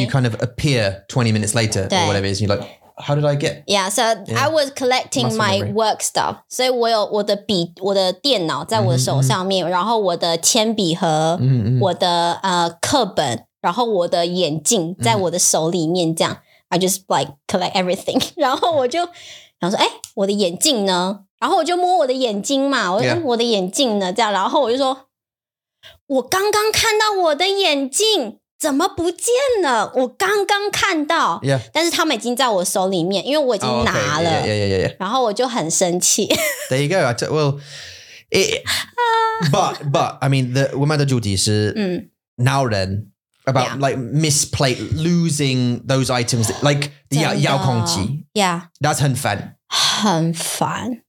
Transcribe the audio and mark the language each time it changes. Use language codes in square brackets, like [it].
[en] you kind of appear 20 minutes later or whatever it is, and you're like, how did I get? Yeah, so yeah. I was collecting my work stuff. [zh] 所以我有我的笔，我的电脑在我的手上面， mm-hmm. 然后我的铅笔盒， mm-hmm. 我的课本，然后我的眼镜在我的手里面这样、mm-hmm. I just like collect everything 然后我就然后说哎我的眼镜呢然后我就摸我的眼睛嘛我说、yeah. 我的眼镜呢这样然后我就说我刚刚看到我的眼镜怎么不见了我刚刚看到、 [en] yeah. [zh] 但是他们已经在我手里面因为我已经拿了、 [en] oh, okay. yeah, yeah, yeah, yeah. [zh] 然后我就很生气 [en] There you go, I took, well it, but I mean the, 我们的主题是、 [zh] 嗯、 [en] now then about、yeah. like misplaced losing those items like the 遥控器 yeah [zh] that's 很烦很烦